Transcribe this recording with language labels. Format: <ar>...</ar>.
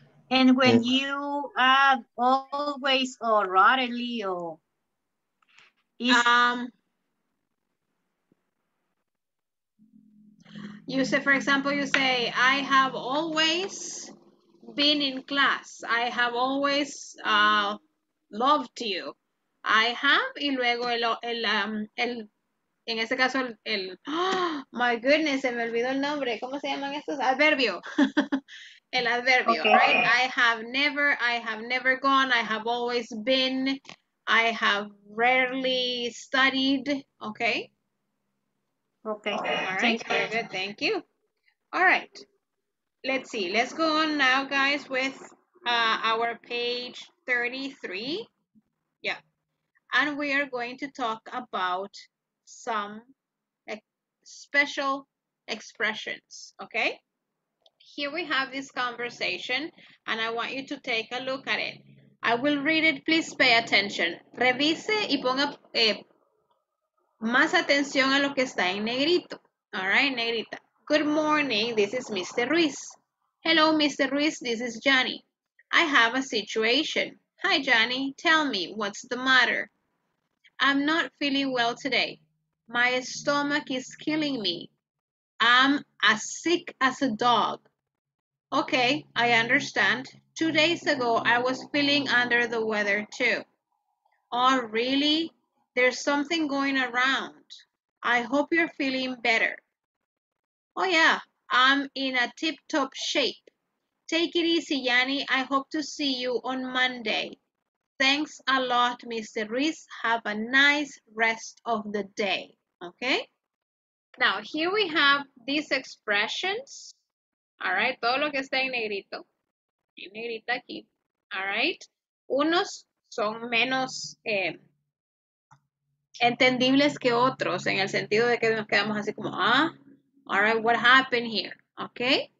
<en>And when you have always or rarely or... You say, for example, you say, I have always been in class. I have always loved you. I have,</en> <es>y luego el en este caso, el,</es> <en>oh, my goodness,</en> <es>se me olvidó el nombre. ¿Cómo se llaman estos? Adverbio. El adverbio, okay. Right?</es> <en>I have never gone, I have always been, I have rarely studied, okay? Okay, all right, thank you. Very good, thank you. All right, let's see. Let's go on now, guys, with our page 33. Yeah, and we are going to talk about some special expressions, okay? Here we have this conversation, and I want you to take a look at it. I will read it. Please pay attention.</en> <es>Revise y ponga más atención a lo que está en negrito.</es> <en>All right, negrita. Good morning. This is Mr. Ruiz. Hello, Mr. Ruiz. This is Johnny. I have a situation. Hi, Johnny. Tell me, what's the matter? I'm not feeling well today. My stomach is killing me. I'm as sick as a dog. Okay, I understand. 2 days ago, I was feeling under the weather too. Oh, really? There's something going around. I hope you're feeling better. Oh yeah, I'm in a tip-top shape. Take it easy, Yanni. I hope to see you on Monday. Thanks a lot, Mr. Ruiz. Have a nice rest of the day, okay? Now, here we have these expressions.</en> <es>All right, todo lo que está en negrito. En negrita aquí. All right. Unos son menos entendibles que otros, en el sentido de que nos quedamos así como, all right,</es> <en>what happened here?</en> <es>Okay.</es>